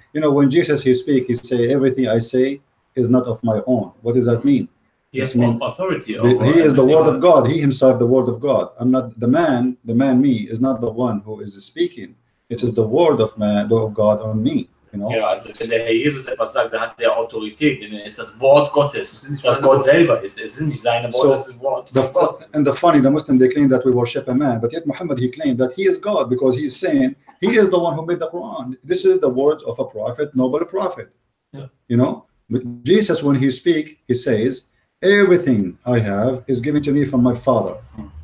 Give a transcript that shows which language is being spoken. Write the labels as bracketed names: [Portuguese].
[English] You know, when Jesus he speaks, he say everything I say is not of my own. What does that mean? He has more authority. He is the word of God. He himself the word of God. I'm not the man. The man me is not the one who is speaking. It is the word of man, of God on me. You know. Yeah. [German] Also, wenn der Herr Jesus etwas sagt, dann hat er Autorität. Denn es ist das Wort Gottes, das Gott selber ist. Es sind nicht seine Worte, so, das Wort. [English] The Muslim they claim that we worship a man, but yet Muhammad he claimed that he is God because he is saying he is the one who made the Quran. This is the words of a prophet, noble prophet. Yeah. You know, but Jesus when he speak, he says everything I have is given to me from my Father. Mm.